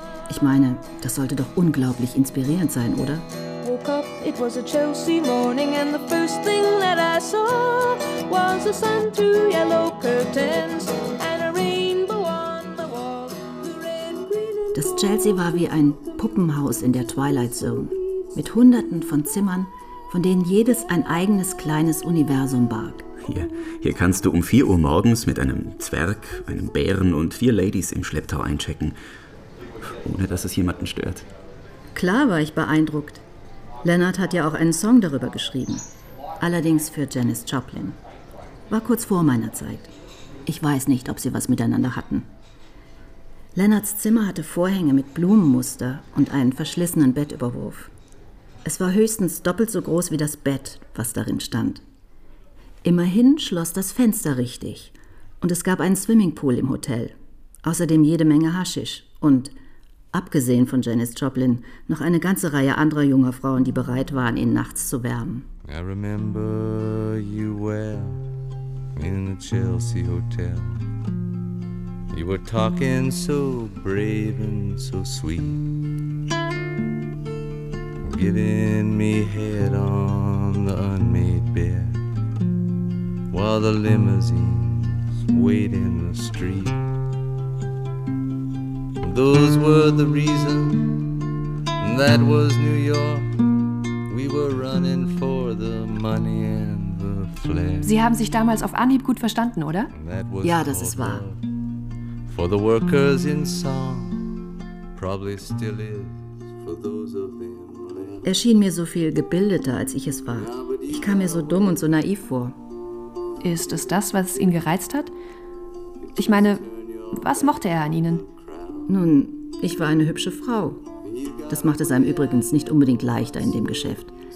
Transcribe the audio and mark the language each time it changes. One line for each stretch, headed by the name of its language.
German: Ich meine, das sollte doch unglaublich inspirierend sein, oder?
English: It was a Chelsea morning and the first thing that I saw was the sun, 2 yellow curtains and a rainbow on the wall. The red, green,
German: das Chelsea war wie ein Puppenhaus in der Twilight Zone mit hunderten von Zimmern, von denen jedes ein eigenes kleines Universum barg. Hier kannst du um 4 Uhr morgens mit einem Zwerg, einem Bären und 4 Ladies im Schlepptau einchecken, ohne dass es jemanden stört. Klar war ich beeindruckt. Leonard hat ja auch einen Song darüber geschrieben. Allerdings für Janis Joplin. War kurz vor meiner Zeit. Ich weiß nicht, ob sie was miteinander hatten. Leonards Zimmer hatte Vorhänge mit Blumenmuster und einen verschlissenen Bettüberwurf. Es war höchstens doppelt so groß wie das Bett, was darin stand. Immerhin schloss das Fenster richtig und es gab einen Swimmingpool im Hotel. Außerdem jede Menge Haschisch und, abgesehen von Janis Joplin, noch eine ganze Reihe anderer junger Frauen, die bereit waren, ihn nachts zu wärmen.
English: I remember you well in the Chelsea Hotel. You were talking so brave and so sweet. Giving me head on the unmade bed while the limousines wait in the street. Those were the reason that was New York. We were running for the money and the flesh.
German: Sie haben sich damals auf Anhieb gut verstanden, oder? Ja, das ist wahr.
English: For the workers in song, probably still is for those of them.
German: Er schien mir so viel gebildeter, als ich es war. Ich kam mir so dumm und so naiv vor. Ist es das, was ihn gereizt hat? Ich meine, was mochte er an ihnen? Nun, ich war eine hübsche Frau. Das machte es einem übrigens nicht unbedingt leichter in dem Geschäft.